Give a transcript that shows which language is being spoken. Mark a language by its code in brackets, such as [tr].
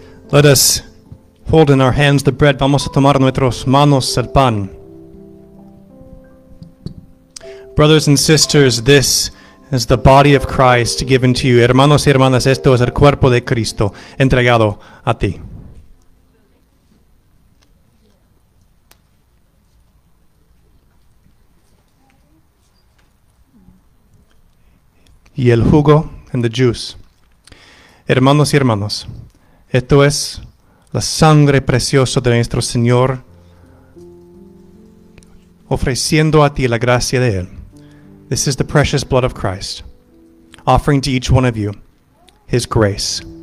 [en] Let us hold in our hands the bread. [es] Vamos a tomar nuestras manos el pan. [en] Brothers and sisters, this is the body of Christ given to you. [es] Hermanos y hermanas, esto es el cuerpo de Cristo entregado a ti. Y el jugo [en] and the juice. [es] Hermanos y hermanas, esto es la sangre preciosa de nuestro Señor, ofreciendo a ti la gracia de Él. [en] This is the precious blood of Christ, offering to each one of you His grace.